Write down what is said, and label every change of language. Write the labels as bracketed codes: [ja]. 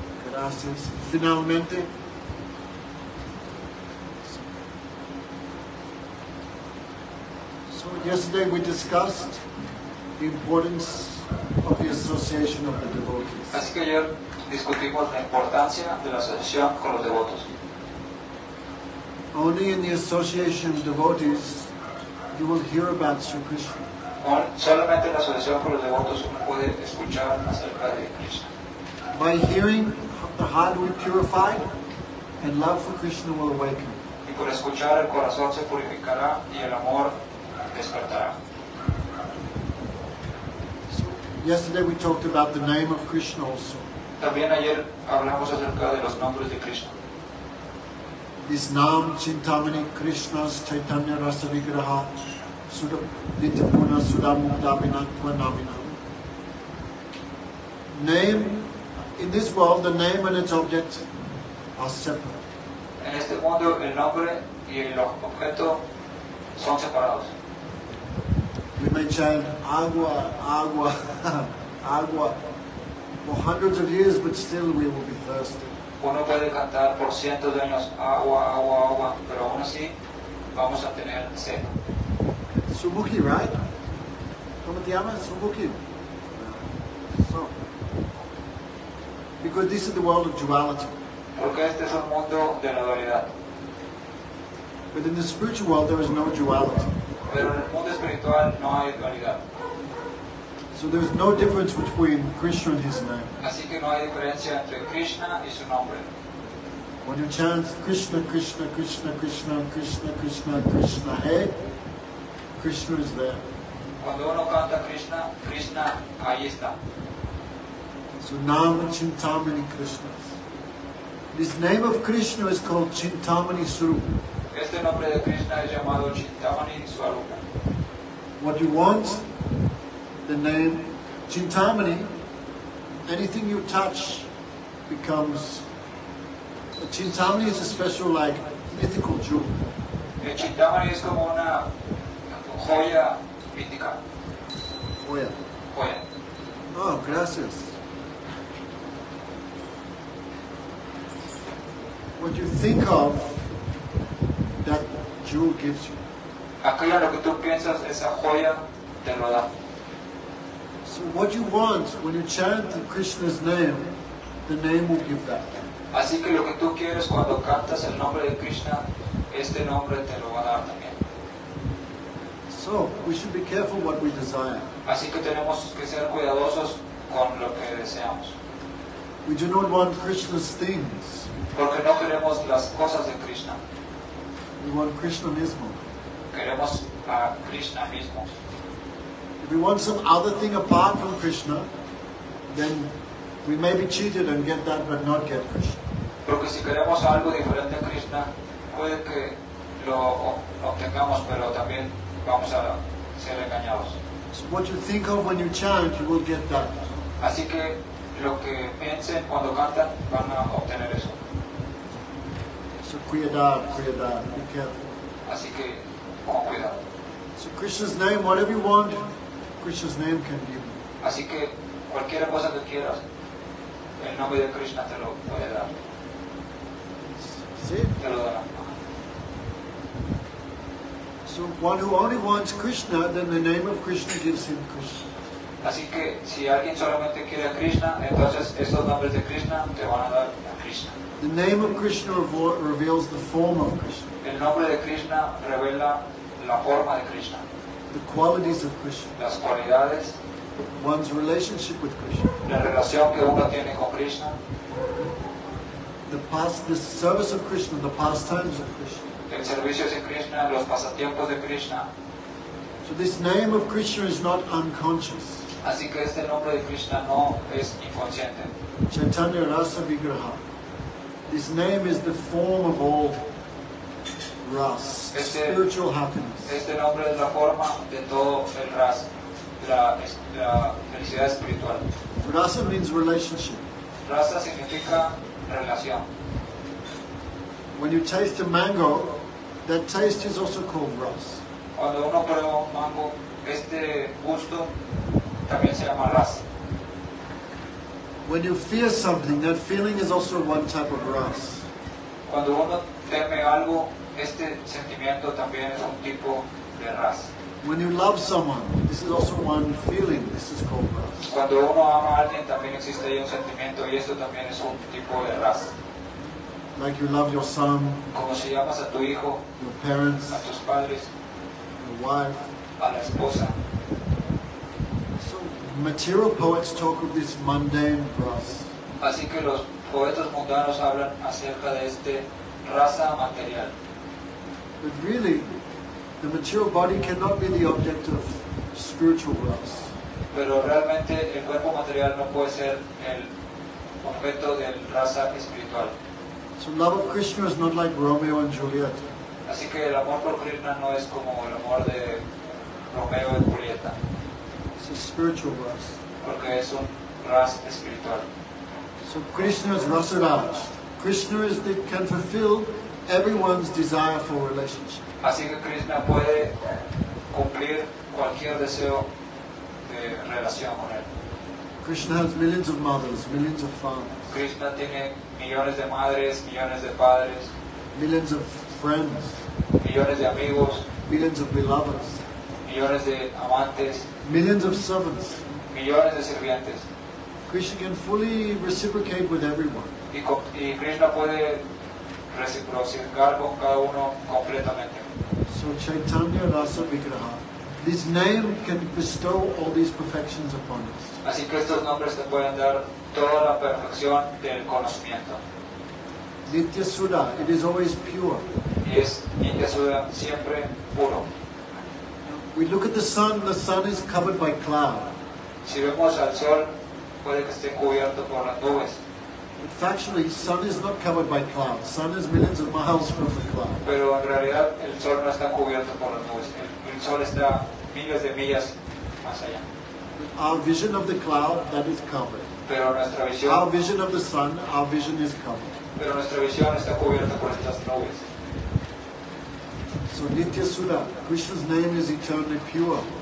[es] Gracias. Finalmente, [en] so yesterday we discussed the importance of the association of the devotees. [es] Así que ayer discutimos la importancia de la asociación con los devotos. [en] Only in the association of devotees you will hear about Sri Krishna. [es] Solamente en la asociación con los devotos uno puede escuchar acerca de Krishna. [en] By hearing, the heart will be purified and love for Krishna will awaken. [es] Y por escuchar el corazón se purificará y el amor despertará. [en] So, yesterday we talked about the name of Krishna also. [es] También ayer hablamos acerca de los nombres de Krishna. [sa] His Naam Chintamani Krishna's Chaitanya Rasa Vigraha Nityapurna Sudamukta Abhinatva Namina. [en] Name. In this world, the name and its object are separate. [es] En este mundo, el nombre y el objeto son separados. [en] We may chant agua, agua, agua for hundreds of years, but still we will be thirsty. [es] Uno puede cantar por cientos de años agua, agua, agua, pero aún así vamos a tener sed. Subuki, right? ¿Cómo te llamas? Subuki. [en] Because this is the world of duality. [es] Porque este es el mundo de la dualidad. [en] But in the spiritual world, there is no duality. [es] Pero en el mundo espiritual no hay dualidad. [en] So there is no difference between Krishna and his name. [es] Así que no hay diferencia entre Krishna y su nombre. [en] When you chant Krishna, Krishna, Krishna, Krishna, Krishna, Krishna, Krishna, hey, Krishna is there. [es] Cuando uno canta Krishna, Krishna, ahí está. [en] So Naam Chintamani Krishna. This name of Krishna is called Chintamani Swarupa. [es] Este nombre de Krishna es llamado Chintamani Swarupa. [en] What you want, the name Chintamani, anything you touch becomes a Chintamani is a special like mythical jewel. [es] El Chintamani es como una joya mítica. Joya. Joya. Oh, gracias. [en] What you think of, that jewel gives you. [es] Aquello lo que tú piensas, esa joya te lo da. [en] So what you want, when you chant Krishna's name, the name will give that. [es] Así que lo que tú quieres cuando cantas el nombre de Krishna, este nombre te lo va a dar también. [en] So, we should be careful what we desire. [es] Así que tenemos que ser cuidadosos con lo que deseamos. [en] We do not want Krishna's things. [es] Porque no queremos las cosas de Krishna. [en] We want Krishna mismo. [es] Queremos a Krishna mismo. [en] If we want some other thing apart from Krishna, then we may be cheated and get that, but not get Krishna. [es] Porque si queremos algo diferente a Krishna, puede que lo obtengamos, pero también vamos a ser engañados. [en] So what you think of when you chant, you will get that. [es] Así que lo que piensen cuando cantan, van a obtener eso. [en] So [es] cuidado, cuidado, [en] be careful. [es] Así que, con cuidado. [en] So Krishna's name, whatever you want, Krishna's name can be. [es] Así que cualquier cosa que quieras, el nombre de Krishna te lo puede dar. Sí. Te lo dará. [en] So one who only wants Krishna, then the name of Krishna gives him Krishna. [es] Así que si alguien solamente quiere a Krishna, entonces esos nombres de Krishna te van a dar a Krishna. [en] The name of Krishna reveals the form of Krishna. [es] El nombre de Krishna revela la forma de Krishna. [en] The qualities of Krishna. [es] Las cualidades. [en] One's relationship with Krishna. [es] La relación que uno tiene con Krishna. [en] The service of Krishna, the pastimes of Krishna. [es] El servicio de Krishna, los pasatiempos de Krishna. [en] So this name of Krishna is not unconscious. [es] Así que este nombre de Krishna no es inconsciente. [sa] Chaitanya Rasa Vigraha. [en] This name is the form of all ras, spiritual happiness. [es] Este nombre es la forma de todo el ras, la felicidad espiritual. [en] Rasa means relationship. [es] Rasa significa relación. [en] When you taste a mango, that taste is also called ras. [es] Cuando uno prueba un mango, este gusto también se llama ras. [en] When you fear something, that feeling is also one type of ras. [es] Cuando uno teme algo, este sentimiento también es un tipo de ras. [en] When you love someone, this is also one feeling. This is called ras. [es] Cuando uno ama a alguien, también existe ahí un sentimiento y esto también es un tipo de ras. [en] Like you love your son. [es] Como si amas a tu hijo. [en] Your parents. [es] A tus padres. [en] Your wife. [es] A la esposa. [en] Material poets talk of this mundane ras. [es] Así que los poetas mundanos hablan acerca de este raza material. [en] But really, the material body cannot be the object of spiritual ras. [es] Pero realmente el cuerpo material no puede ser el objeto del raza espiritual. [en] So love of Krishna is not like Romeo and Juliet. [es] Así que el amor por Krishna no es como el amor de Romeo y Julieta. [en] It's a spiritual ras. [es] Porque es un ras espiritual. [en] So Krishna is Rasaraj. Krishna is the can fulfill everyone's desire for relationship. [es] Así que Krishna puede cumplir cualquier deseo de relación con él. [en] Krishna has millions of mothers, millions of fathers. [es] Krishna tiene millones de madres, millones de padres. [en] Millions of friends. [es] Millones de amigos. [en] Millions of beloveds. [es] Millones de amantes. [en] Millions of servants. [es] Millones de sirvientes. [en] Krishna can fully reciprocate with everyone. [es] Y Krishna puede reciprocar con cada uno completamente. [en] So Chaitanya Rasa Vigraha. This name can bestow all these perfections upon us. [es] Así que estos nombres te pueden dar toda la perfección del conocimiento. [en] Nitya Sudha, it is always pure. [es] Y es Nitya Sudha, siempre puro. [en] We look at the sun is covered by cloud. [es] Si vemos al sol, puede que esté cubierto por las nubes. [en] But factually, sun is not covered by cloud. Sun is millions of miles from the cloud. [es] Pero en realidad, el sol no está cubierto por las nubes. El sol está miles de millas más allá. [en] Our vision of the cloud, that is covered. [es] Pero nuestra visión. [en] Our vision of the sun, our vision is covered. [es] Pero nuestra visión está cubierta por estas nubes. [en] So Nitya Sudha, Krishna's name is eternally pure.